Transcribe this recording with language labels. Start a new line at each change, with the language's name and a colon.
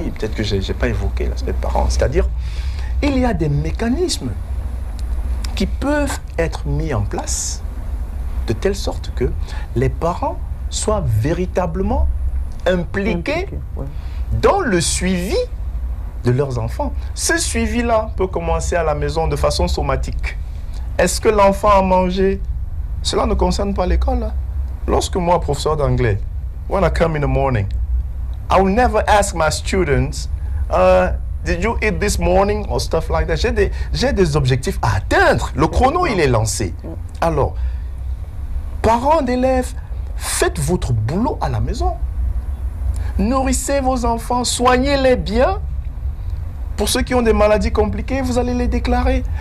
French: Peut-être que je n'ai pas évoqué l'aspect de parents. C'est-à-dire, il y a des mécanismes qui peuvent être mis en place de telle sorte que les parents soient véritablement impliqués dans le suivi de leurs enfants. Ce suivi-là peut commencer à la maison de façon somatique. Est-ce que l'enfant a mangé? Cela ne concerne pas l'école. Lorsque moi, professeur d'anglais,
English: when I come in the morning, I will never ask my students, did you eat this morning or stuff like that.
French: J'ai des objectifs à atteindre. Le chrono, il est lancé. Alors, parents d'élèves, faites votre boulot à la maison. Nourrissez vos enfants, soignez-les bien. Pour ceux qui ont des maladies compliquées, vous allez les déclarer.